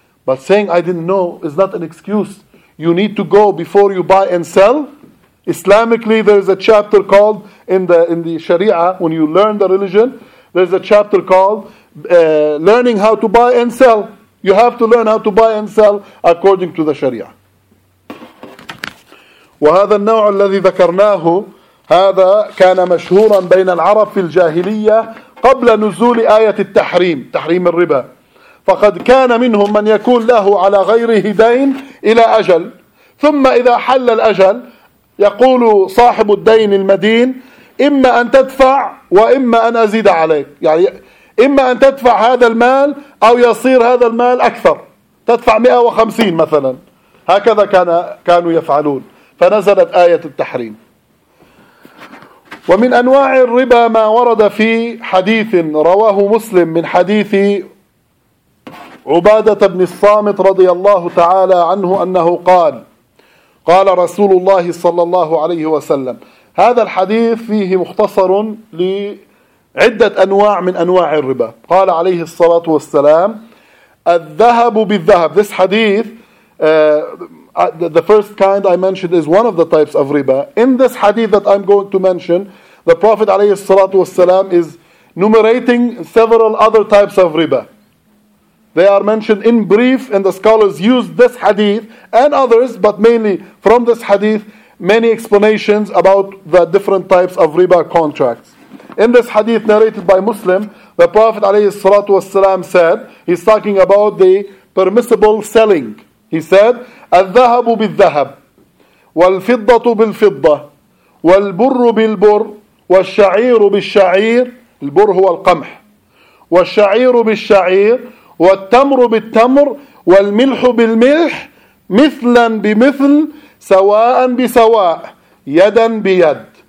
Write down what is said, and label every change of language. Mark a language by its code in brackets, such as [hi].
[en] But saying I didn't know is not an excuse. You need to go before you buy and sell. Islamically, there is a chapter called, in the Sharia, when you learn the religion, there is a chapter called learning how to buy and sell. You have to learn how to buy and sell according to the Sharia. [ar] وهذا النوع الذي ذكرناه هذا كان مشهورا بين العرب في الجاهلية قبل نزول آية التحريم، تحريم الربا. فقد كان منهم من يكون له على غيره دين إلى أجل، ثم إذا حل الأجل يقول صاحب الدين المدين إما أن تدفع وإما أن أزيد عليك، يعني إما أن تدفع هذا المال أو يصير هذا المال أكثر، تدفع 150 مثلا، هكذا كانوا يفعلون. فنزلت آية التحريم. ومن أنواع الربا ما ورد في حديث رواه مسلم من حديث عبادة بن الصامت رضي الله تعالى عنه أنه قال قال رسول الله صلى الله عليه وسلم. هذا الحديث فيه مختصر لعدة أنواع من أنواع الربا. قال عليه الصلاة والسلام الذهب بالذهب. [en] This hadith, the first kind I mentioned is one of the types of riba. In this hadith that I'm going to mention, the Prophet [ar] عليه الصلاة والسلام [en] is enumerating several other types of riba. They are mentioned in brief, and the scholars use this hadith and others, but mainly from this hadith, many explanations about the different types of riba contracts. In this hadith narrated by Muslim, the Prophet [ar] عليه الصلاة والسلام [en] said, he's talking about the permissible selling. He said, [ar] الذهب بالذهب والفضة بالفضة والبر بالبر والشعير بالشعير، البر هو القمح، والشعير بالشعير والتمر بالتمر والملح بالملح مثلا بمثل سواء بسواء يدا بيد.